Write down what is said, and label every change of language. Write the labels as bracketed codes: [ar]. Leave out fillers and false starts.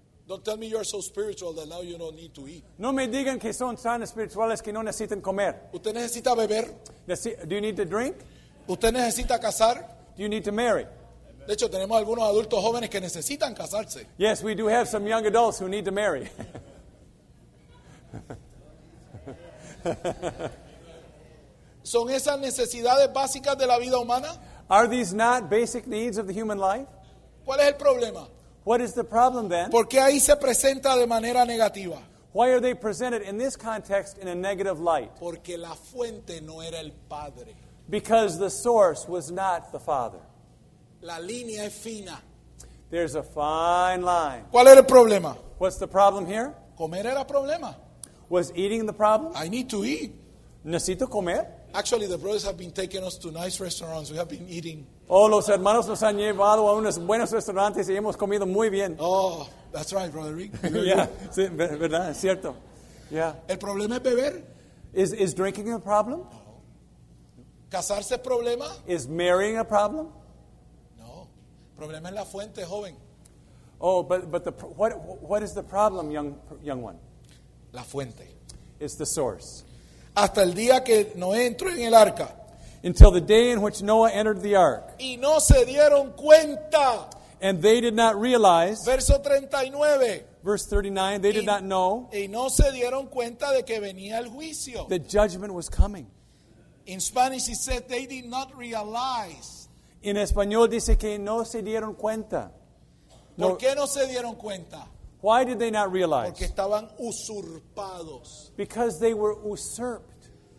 [en] Don't tell me you're so spiritual that now you don't need to eat. [es] No me digan que son tan espirituales que no necesitan comer. Usted necesita beber. [en] Do you need to drink? [es] Usted necesita casar. [en] Do you need to marry? [es] De hecho, tenemos algunos adultos jóvenes que necesitan casarse. [en] Yes, we do have some young adults who need to marry. [es] ¿Son esas necesidades básicas de la vida humana? [en] Are these not basic needs of the human life? [es] ¿Cuál es el problema? [en] What is the problem then? [es] ¿Por qué ahí se presenta de manera negativa? [en] Why are they presented in this context in a negative light? [es] Porque la fuente no era el Padre. [en] Because the source was not the Father. [es] La línea es fina. [en] There's a fine line. [es] ¿Cuál era el problema? [en] What's the problem here? [es] Comer era problema. [en] Was eating the problem? I need to eat. [es] Necesito comer. [en] Actually, the brothers have been taking us to nice restaurants. We have been eating. [es] Oh, los hermanos nos han llevado a unos buenos restaurantes y hemos comido muy bien. [en] Oh, that's right, Brother Rick. [es] Yeah, sí, verdad, es cierto. [en] Yeah. [es] ¿El problema es beber? [en] Is drinking a problem? [es] No. ¿Casarse es problema? [en] Is marrying a problem? [es] No. El problema es la fuente, joven. [en] Oh, but the what is the problem, young one? [es] La fuente. [en] It's the source. [es] Hasta el día que Noé entró en el arca. [en] Until the day in which Noah entered the ark. [es] Y no se dieron cuenta. [en] And they did not realize. [es] Verso 39. [en] Verse 39, they did not know. [es] Y no se dieron cuenta de que venía el juicio. [en] The judgment was coming. In Spanish it says they did not realize. [es] En español dice que no se dieron cuenta. ¿Por qué no se dieron cuenta? [en] Why did they not realize? [es] Porque estaban usurpados. [en] Because they were usurped.